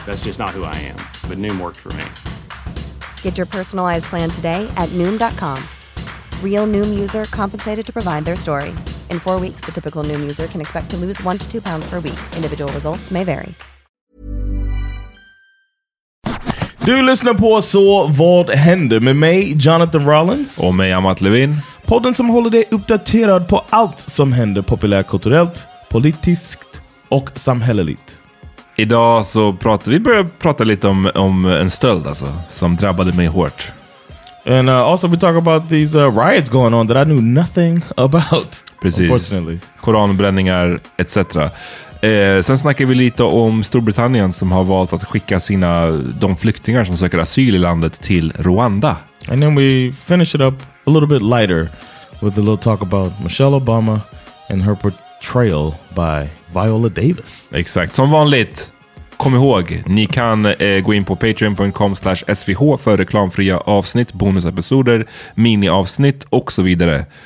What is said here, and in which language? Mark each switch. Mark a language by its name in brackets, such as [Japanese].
[English] That's just not who I am. But Noom worked for me. Get your personalized plan today at Noom.com. Real Noom user compensated to provide their story. In 4 weeks, the typical Noom user can expect to lose 1 to 2 pounds per week. Individual results may vary. [Swedish] Du lyssnar på Så Vad Händer med mig, Jonathan Rollins. Och mig, Amat Levin. Podden som håller dig uppdaterad på allt som händer populärkulturellt, politiskt och samhälleligt. Idag så pratar vi prata lite om en stöld alltså, som drabbade mig hårt. [English] And also we talk about these riots going on that I knew nothing about. [Swedish] Precis. [English] Unfortunately. [Swedish] Koranbränningar etc. Sen snackar vi lite om Storbritannien som har valt att skicka sina de flyktingar som söker asyl i landet till Rwanda. [English] And then we finish it up a little bit lighter with a little talk about Michelle Obama and her portrayal by Viola Davis. [Swedish] Exakt, som vanligt. Kom ihåg, ni kan gå in på patreon.com/svh för reklamfria avsnitt, bonusepisoder, miniavsnitt och så vidare.